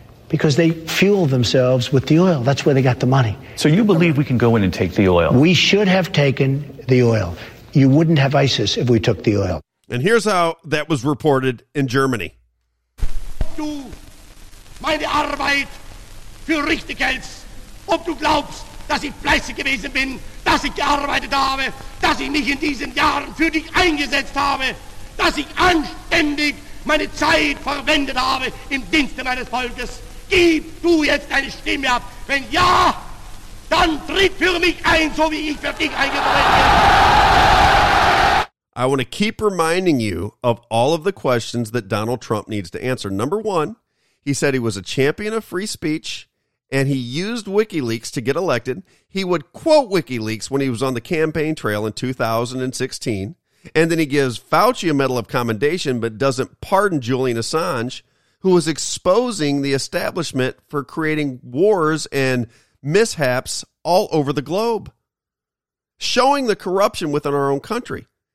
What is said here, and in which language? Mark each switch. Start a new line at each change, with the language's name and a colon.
English: Because they fuel themselves with the oil. That's where they got the money. So you believe we can go in and take the oil? We should have taken the oil. You wouldn't have ISIS if we took the oil. And here's how that was reported in Germany.
German: Du, meine Arbeit für Richtigkeit. Ob du glaubst, dass ich fleißig gewesen bin, dass ich gearbeitet habe, dass ich mich in diesen Jahren für dich eingesetzt habe, dass ich anständig meine Zeit verwendet habe im Dienste meines Volkes. Gib du jetzt deine Stimme ab. Wenn ja, dann tritt für mich ein, so wie ich für dich eingetreten bin.
English: I want to keep reminding you of all of the questions that Donald Trump needs to answer. Number one, he said he was a champion of free speech, and he used WikiLeaks to get elected. He would quote WikiLeaks when he was on the campaign trail in 2016, and then he gives Fauci a Medal of Commendation but doesn't pardon Julian Assange, who was exposing the establishment for creating wars and mishaps all over the globe, showing the corruption within our own country.